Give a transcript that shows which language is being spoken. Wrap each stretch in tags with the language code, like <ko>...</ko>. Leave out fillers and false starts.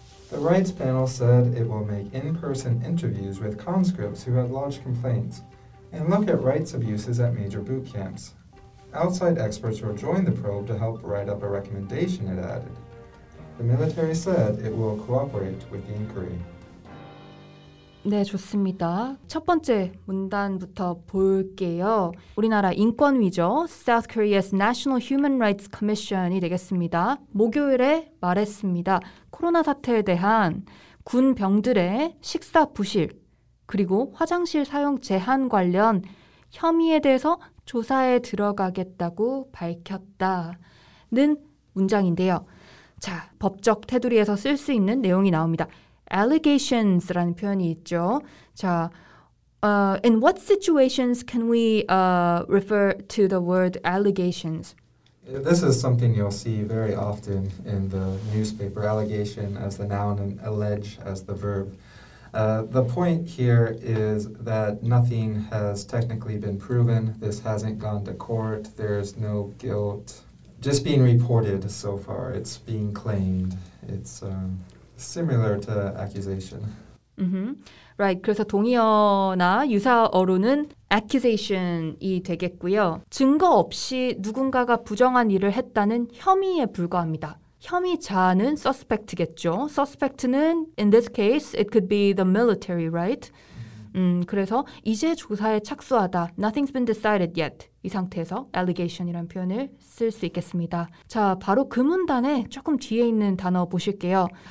<en>The rights panel said it will make in-person interviews with conscripts who had lodged complaints and look at rights abuses at major boot camps. Outside experts will join the probe to help write up a recommendation, it added. The military said it will cooperate with the inquiry.</en> <ko>네, 좋습니다. 첫 번째 문단부터 볼게요. 우리나라 인권위죠. South Korea's National Human Rights Commission이 되겠습니다. 목요일에 말했습니다. 코로나 사태에 대한 군 병들의 식사 부실, 그리고 화장실 사용 제한 관련 혐의에 대해서 조사에 들어가겠다고 밝혔다는 문장인데요. 자, 법적 테두리에서 쓸 수 있는 내용이 나옵니다. Allegations라는 표현이 있죠.</ko> <en>자, in what situations can we refer to the word allegations? This is something you'll see very often in the newspaper, allegation as the noun and allege as the verb. The point here is that nothing has technically been proven. This hasn't gone to court. There's no guilt. Just being reported so far. It's being claimed. It's... similar to accusation. Mm-hmm. Right.</en> <ko>그래서 동의어나 유사어로는 accusation이 되겠고요. 증거 없이 누군가가 부정한 일을 했다는 혐의에 불과합니다. 혐의자는 suspect겠죠.</ko> <en>Suspect는 in this case it could be the military, right?</en> <ko>그래서 이제 조사에 착수하다.</ko> <en>Nothing's been decided yet.</en> <ko>이 상태에서 allegation이라는 표현을 쓸 수 있겠습니다. 자, 바로 그 문단에 조금 뒤에 있는 단어 보실게요.</ko>